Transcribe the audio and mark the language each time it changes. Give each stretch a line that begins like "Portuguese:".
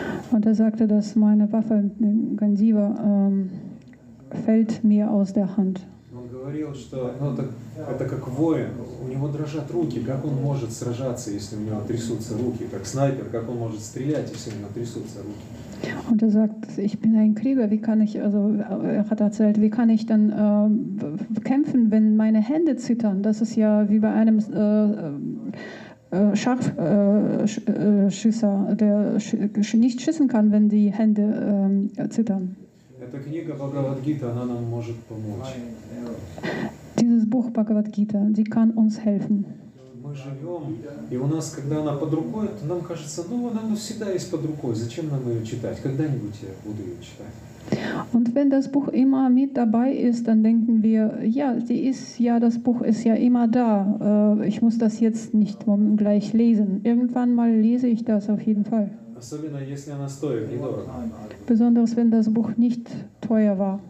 German: Und er sagte, dass meine Waffe, Gandiva, fällt mir aus der Hand.
Russian: Говорил, что ну, это как воин, у него дрожат руки, как он может сражаться, если у него трясутся руки, как снайпер, как он может стрелять, если у него трясутся руки.
German: Und er sagt, ich bin ein Krieger, wie kann ich, also er hat erzählt, wie kann ich dann kämpfen, wenn meine Hände zittern? Das ist ja wie bei einem Scharfschießer, der nicht schießen kann, wenn die Hände zittern.
Russian: Эта книга Бхагавад-Гита, она нам может помочь.
German: Dieses Buch Bhagavad-Gita, die kann uns helfen.
Russian: Мы живем, и у нас, когда она под рукой, то нам кажется, ну, она всегда есть под рукой, зачем нам ее читать? Когда-нибудь я буду ее читать.
German: Und wenn das Buch immer mit dabei ist, dann denken wir, ja, die ist ja, das Buch ist ja immer da. Ich muss das jetzt nicht gleich lesen. Irgendwann mal lese ich das auf jeden Fall.
Russian: Особенно если она стоит недорого.
German: Besonders wenn das Buch nicht teuer war.